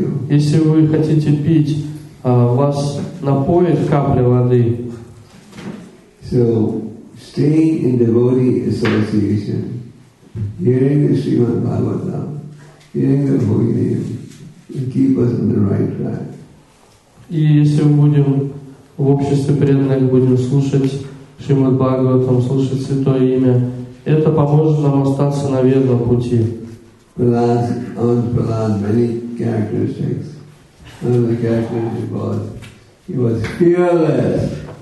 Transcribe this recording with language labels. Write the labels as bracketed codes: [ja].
[ru] Если вы хотите пить, вас напоит капля воды. [en] So, stay in devotee association, hearing the Srimad Bhagavatam, hearing the holy name, keep us on the right track. [ru] И если мы будем в обществе преданных, будем слушать Шримад Бхагаватам, слушать Святое Имя, это поможет нам остаться на верном пути. [en] Prahlad, many characteristics. He was fearless.